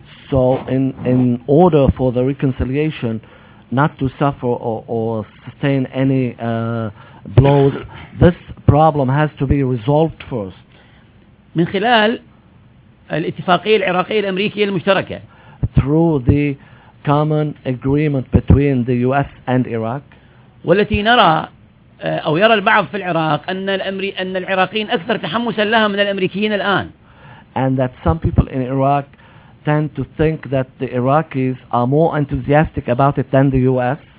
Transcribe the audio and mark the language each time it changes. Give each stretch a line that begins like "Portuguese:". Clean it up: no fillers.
English: So in order for the reconciliation not to suffer or sustain any blows, this problem has to be resolved first.
Arabic: من خلال الاتفاقية العراقية الأمريكية المشتركة.
English: Through the common agreement between the US and Iraq.
Arabic: والتي نرى أو يرى البعض في العراق أن العراقيين أكثر تحمسا لها من الأمريكيين الآن.
English: And that some people in Iraq tend to think that the Iraqis are more enthusiastic about it than the U.S.